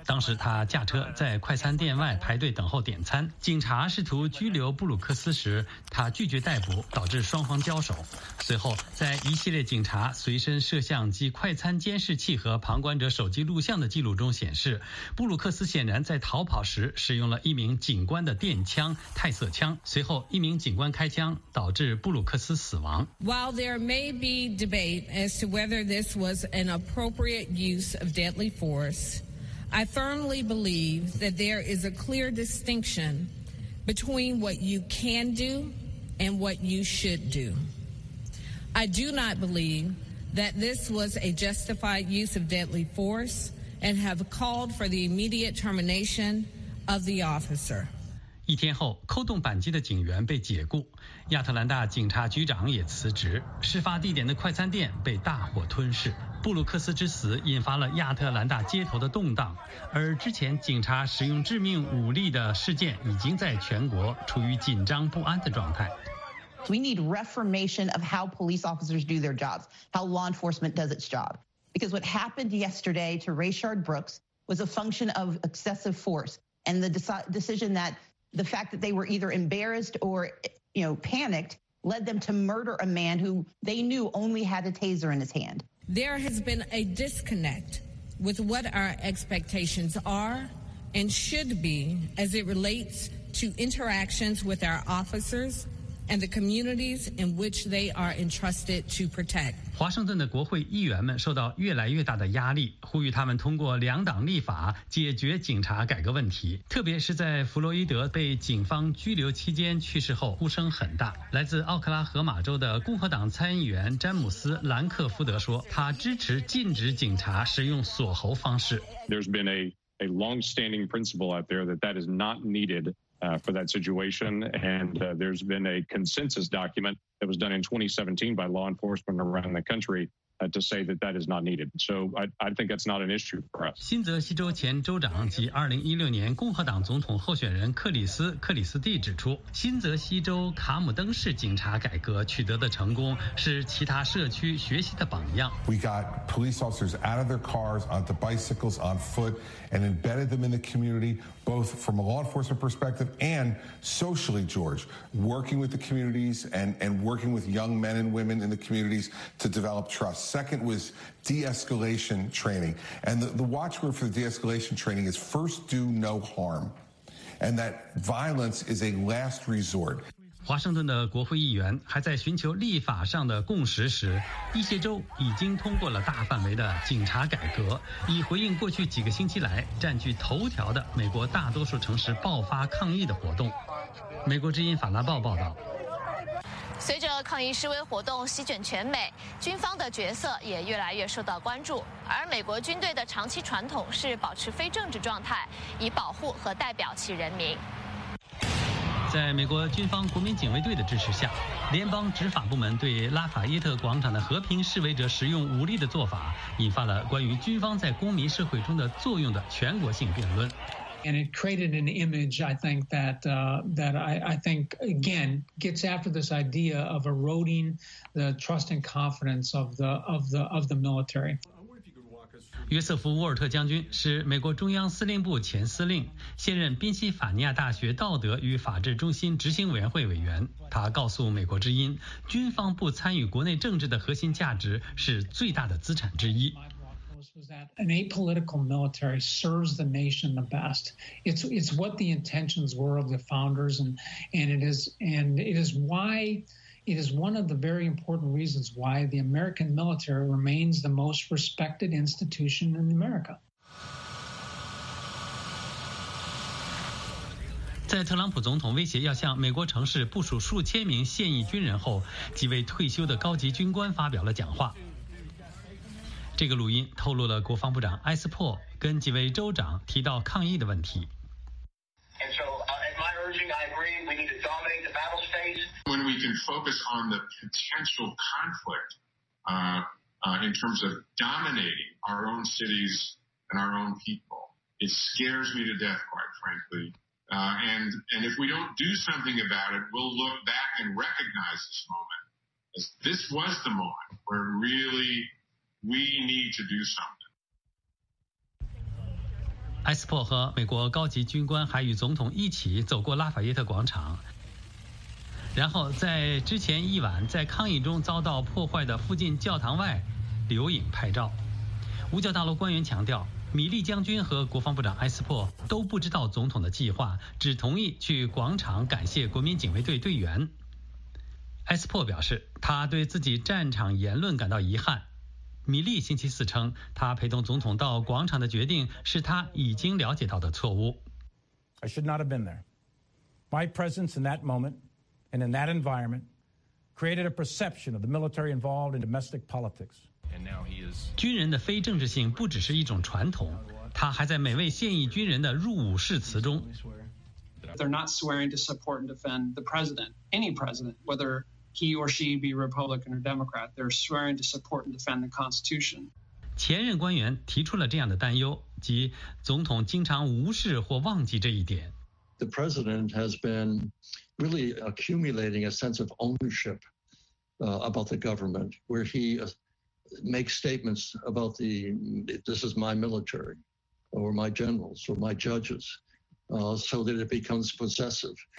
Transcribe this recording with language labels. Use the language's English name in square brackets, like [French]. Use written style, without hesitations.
[Chinese] 当时他驾车在快餐店外排队等候点餐，警察试图拘留布鲁克斯时，他拒绝逮捕，导致双方交手。随后，在一系列警察随身摄像机、快餐监视器和旁观者手机录像的记录中显示，布鲁克斯显然在逃跑时使用了一名警官的电枪——泰瑟枪。随后，一名警官开枪导致布鲁克斯死亡。 [English] While there may be debate as to whether this was an appropriate use of deadly force, I firmly believe that there is a clear distinction between what you can do and what you should do. I do not believe that this was a justified use of deadly force and have called for the immediate termination of the officer. [Chinese] 一天后，扣动扳机的警员被解雇，亚特兰大警察局长也辞职，事发地点的快餐店被大火吞噬。布鲁克斯之死引发了亚特兰大街头的动荡，而之前警察使用致命武力的事件已经在全国处于紧张不安的状态。 [English] We need reformation of how police officers do their jobs, how law enforcement does its job. Because what happened yesterday to Rayshard Brooks was a function of excessive force and the decision thatThe fact that they were either embarrassed or, you know, panicked led them to murder a man who they knew only had a taser in his hand. There has been a disconnect with what our expectations are and should be as it relates to interactions with our officers and the communities in which they are entrusted to protect. [Chinese] 华盛顿的国会议员们受到越来越大的压力，呼吁他们通过两党立法解决警察改革问题。特别是在弗洛伊德被警方拘留期间去世后，呼声很大。来自奥克拉荷马州的共和党参议员詹姆斯·兰克福德说，他支持禁止警察使用锁喉方式。 [English] There's been a long-standing principle out there that is not needed for that situation, and there's been a consensus document that was done in 2017 by law enforcement around the country to say that is not needed. So I think that's not an issue for us. [Chinese] 新泽西州前州长及2016年共和党总统候选人克里斯·克里斯蒂指出，新泽西州卡姆登市警察改革取得的成功是其他社区学习的榜样。 [English] We got police officers out of their cars, onto bicycles, on foot, and embedded them in the community, both from a law enforcement perspective and socially, George, working with the communities and working with young men and women in the communities to develop trust. Second was de-escalation training. And the watchword for the de-escalation training is first do no harm. And that violence is a last resort. [Chinese] 华盛顿的国会议员还在寻求立法上的共识时，一些州已经通过了大范围的警察改革，以回应过去几个星期来占据头条的美国大多数城市爆发抗议的活动。美国之音法拉报报道。随着抗议示威活动席卷全美，军方的角色也越来越受到关注。而美国军队的长期传统是保持非政治状态，以保护和代表其人民。在美国军方国民警卫队的支持下，联邦执法部门对拉法耶特广场的和平示威者使用武力的做法，引发了关于军方在公民社会中的作用的全国性辩论。 [English] And it created an image, I think, that I think, again, gets after this idea of eroding the trust and confidence of the military. [Chinese] 约瑟夫·沃尔特将军是美国中央司令部前司令，现任宾夕法尼亚大学道德与法治中心执行委员会委员。他告诉美国之音，军方不参与国内政治的核心价值是最大的资产之一。 [English] Was that an apolitical military serves the nation the best? It's what the intentions were of the founders, and it is one of the very important reasons why the American military remains the most respected institution in America. [Chinese] 在特朗普总统威胁要向美国城市部署数千名现役军人后，几位退休的高级军官发表了讲话。这个录音透露了国防部长埃斯珀跟几位州长提到抗议的问题。 [English] And so, at my urging, I agree we need to dominate the battle space. When we can focus on the potential conflict, in terms of dominating our own cities and our own people, it scares me to death, quite frankly. And if we don't do something about it, we'll look back and recognize this moment. This was the moment where really. [Chinese] 埃斯珀和美国高级军官还与总统一起走过拉法耶特广场，然后在之前一晚在抗议中遭到破坏的附近教堂外留影拍照。五角大楼官员强调，米利将军和国防部长埃斯珀都不知道总统的计划，只同意去广场感谢国民警卫队队员。埃斯珀表示，他对自己战场言论感到遗憾。米利星期四称，他陪同总统到广场的决定是他已经了解到的错误。 [English] I should not have been there. My presence in that moment and in that environment created a perception of the military involved in domestic politics. [Chinese] 军人的非政治性不只是一种传统，他还在每位现役军人的入伍誓词中。 [English] They're not swearing to support and defend the president, any president, whether. He or she be Republican or Democrat, they're swearing to support and defend the Constitution. [Chinese] 前任官员提出了这样的担忧，即总统经常无视或忘记这一点。 [English] The president has been really accumulating a sense of ownership about the government, where he makes statements about the this is my military, or my generals, or my judges. So that it becomes possessive.